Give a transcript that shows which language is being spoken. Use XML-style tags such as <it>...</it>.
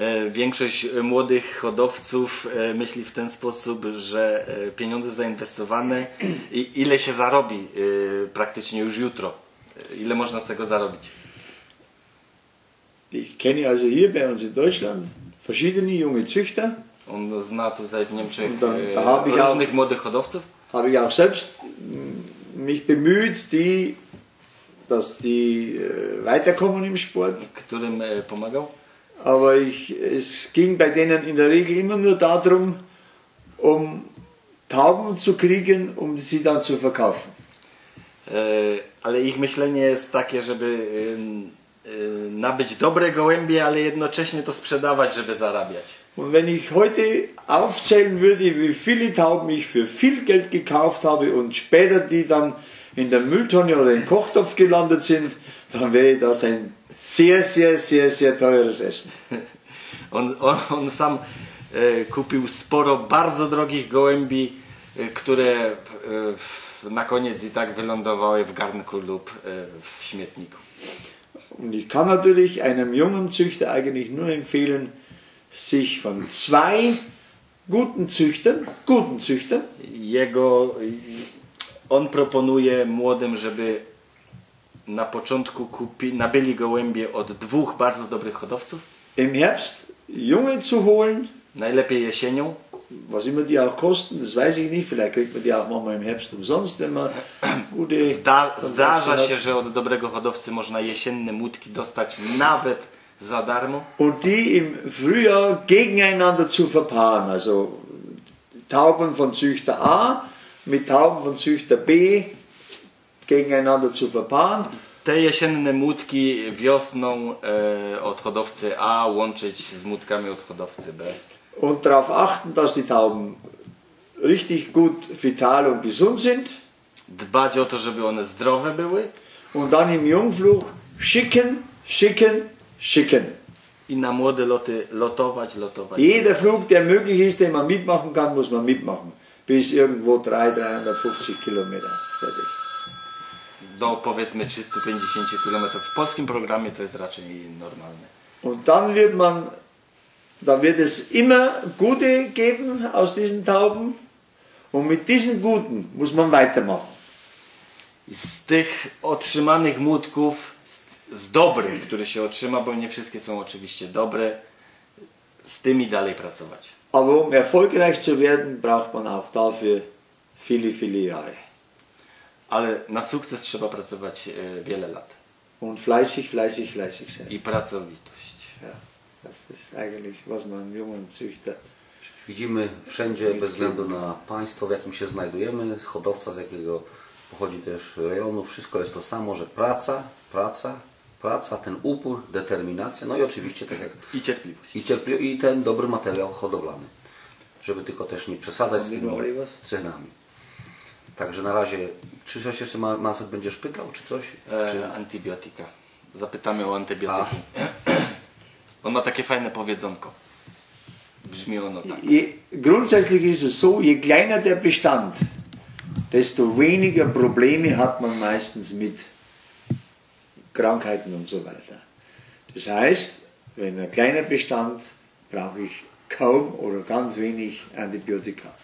<pl>Większość młodych hodowców myśli w ten sposób, że pieniądze zainwestowane i ile się zarobi praktycznie już jutro. Ile można z tego zarobić?</pl> <de>Ich kenne also hier bei uns in Deutschland verschiedene junge Züchter.</de> <pl>On zna tutaj w Niemczech różnych młodych hodowców.</pl> <de>Habe ich auch selbst mich bemüht, dass die weiterkommen im Sport.</de> <pl>Którym pomagał?</pl> <de>Aber es ging bei denen in der Regel immer nur darum, um Tauben zu kriegen, um sie dann zu verkaufen.</de> <pl>Ale ich myślenie jest takie, żeby nabyć dobre gołębie, ale jednocześnie to sprzedawać, żeby zarabiać.</pl> <de>Und wenn ich heute aufzählen würde, wie viele Tauben ich für viel Geld gekauft habe und später die dann in der Mülltonne oder im Kochtopf gelandet sind, dann wäre das ein sehr, sehr, sehr, sehr teures Essen.</de> <pl>On sam kupił sporo bardzo drogich gołębi, które na koniec i tak wylądowały w garnku lub w śmietniku.</pl> <de>Und ich kann natürlich einem jungen Züchter eigentlich nur empfehlen, sich von zwei guten Züchtern,</de> <pl>jego, on proponuje młodym, żeby na początku nabyli gołębie od dwóch bardzo dobrych hodowców.</pl> <de>Im Herbst junge zu holen.</de> <pl>Najlepiej jesienią.</pl> <de>Was immer die auch kosten, das weiß ich nicht, vielleicht kriegt man die auch mal im Herbst umsonst, wenn man gute...</de> <pl>Zdarza się, że od dobrego hodowcy można jesienne mutki dostać nawet za darmo.</pl> <de>Und die im Frühjahr gegeneinander zu verpaaren, also Tauben von Züchter A mit Tauben von Züchter B gegeneinander zu verpaaren.</de> <pl>Te jesienne mutki wiosną od hodowcy A łączyć z mutkami od hodowcy B.</pl> <de>Und darauf achten, dass die Tauben richtig gut vital und gesund sind.</de> <pl>Dbać o to, żeby one zdrowe były.</pl> <de>Und dann im Jungflug schicken, schicken, schicken.</de> <pl>I na młode loty lotować, lotować.</pl> <de>Jeder Flug, der möglich ist, den man mitmachen kann, muss man mitmachen. Bis irgendwo 350 Kilometer.</de> <pl>Do powiedzmy 350 km. W polskim programie to jest raczej normalne.</pl> <de>Und dann wird man, da wird es immer gute geben aus diesen Tauben. Und mit diesen guten muss man weitermachen.</de> <pl>Z tych otrzymanych mutków, z dobrych, które się otrzyma, bo nie wszystkie są oczywiście dobre, z tymi dalej pracować.</pl> <de>Aber um erfolgreich zu werden, braucht man auch dafür viele, viele Jahre.</de> <pl>Ale na sukces trzeba pracować wiele lat.</pl> <de>Und fleißig, fleißig, fleißig sein.</de> <pl>I pracowitość.</pl> <de>Ja, das ist eigentlich, was man jungen Züchter.</de> <pl>Widzimy wszędzie, bez względu na państwo, w jakim się znajdujemy, hodowca, z jakiego pochodzi też rejonu, wszystko jest to samo, że praca, praca, praca, ten upór, determinacja, no i oczywiście tak jak... I cierpliwość. I ten dobry materiał hodowlany. Żeby tylko też nie przesadzać z tymi cenami. Także na razie, czy coś jeszcze Manfred będziesz pytał, czy coś? Antybiotyka. Zapytamy o antybiotyki. On ma takie fajne powiedzonko. Brzmi ono tak.</pl> <de>Grundsätzlich ist es so, je kleiner der Bestand, desto weniger Probleme hat man meistens mit Krankheiten und so weiter. Das heißt, wenn ein kleiner Bestand, brauche ich kaum oder ganz wenig Antibiotika.</de>